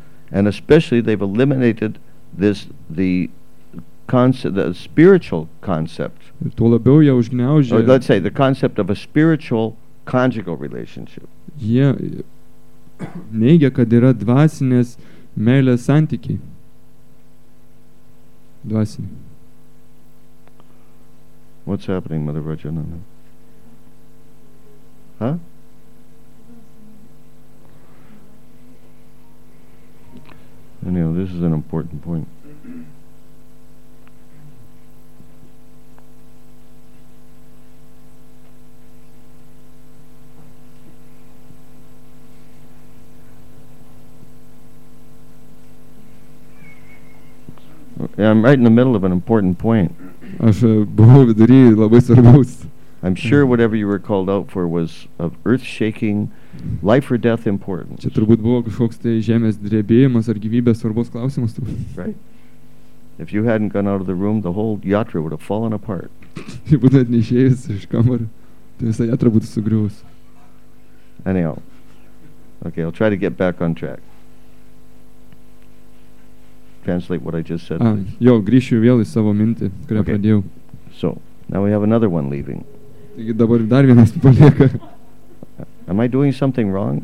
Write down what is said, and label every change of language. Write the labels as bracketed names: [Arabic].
[English] And especially they've eliminated this the concept, the spiritual concept. [Lithuanian] Ir tuo labiau jie užgniaužė. [English] Or let's say the concept of a spiritual conjugal relationship. [Lithuanian] Jie neigia, kad yra dvasinės meilės santykiai. Dvasiniai. [English] What's happening, Mother Rajananda? Huh? Anyhow, this is an important point. I'm right in the middle of an important point. [Lithuanian] Aš buvau vidury labai svarbaus. [English] I'm sure whatever you were called out for was of earth-shaking, life or death importance. [Lithuanian] Čia turbūt buvo kažkoks tai žemės drebėjimas ar gyvybės svarbos klausimas. [English] Right. If you hadn't gone out of the room, the whole yatra would have fallen apart. [Lithuanian] Jei būtumėt neišėjęs iš kambario, tai visa yatra būtų sugriuvus. [English] Anyhow. Okay, I'll try to get back on track. Translate what I just said. [Lithuanian] Jo, grįšiu vėl į savo mintį, kurią okay. pradėjau. [English] So, now we have another one leaving. [Lithuanian] Taigi dabar dar vienas palieka. [English] Am I doing something wrong?